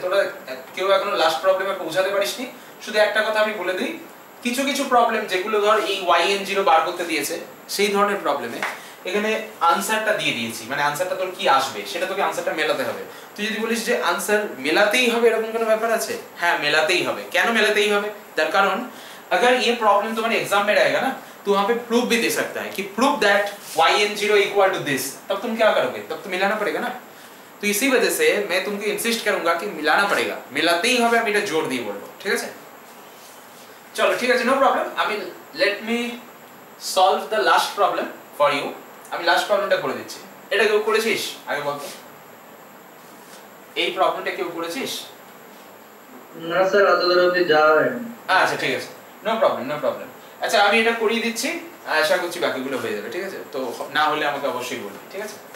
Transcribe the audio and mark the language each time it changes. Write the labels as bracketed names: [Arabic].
[Bangla] তোরা কেউ এখনো লাস্ট প্রবলেমে পৌঁছাতে পারিসনি, শুধু একটা কথা আমি বলে দিই, কিছু কিছু প্রবলেম যেগুলো ধর এই YN0 বার করতে দিয়েছে, সেই ধরনের প্রবলেমে এখানে আনসারটা দিয়ে দিয়েছি, মানে আনসারটা তোর কি আসবে সেটা তোকে আনসারটা মেলাতে হবে। তুই যদি বলিস যে আনসার মেলাতেই হবে এরকম কোনো ব্যাপার আছে, হ্যাঁ মেলাতেই হবে। কেন মেলাতেই হবে? [Hindi] তার কারণ अगर ये प्रॉब्लम तुम्हारे एग्जाम में रहेगा ना, तो वहां पे प्रूफ भी दे सकता है कि proof that YN0 equal to this, तब तुम क्या करोगे? तब तो मिलाना पड़ेगा ना। तो इसी वजह से मैं तुमको इंसिस्ट करूंगा कि मिलाना पड़ेगा, मिलाते ही हमें बेटा जोड़ दी बोलो, ठीक है? चलो ठीक है, no problem, [English] I mean let me solve the last problem for you. [Bangla] I last प्रॉब्लमটা করে দিচ্ছি, এটা কেউ করেছিস আগে বলতো? এই প্রবলেমটা কেউ করেছিস? না স্যার, অতদূর অবধি যাওয়া হয়নি। আচ্ছা ঠিক আছে, নো প্রবলেম, নো প্রবলেম। আচ্ছা আমি এটা করিয়ে দিচ্ছি, আশা করছি বাকিগুলো হয়ে যাবে, ঠিক আছে? তো না হলে আমাকে অবশ্যই বলবি, ঠিক আছে?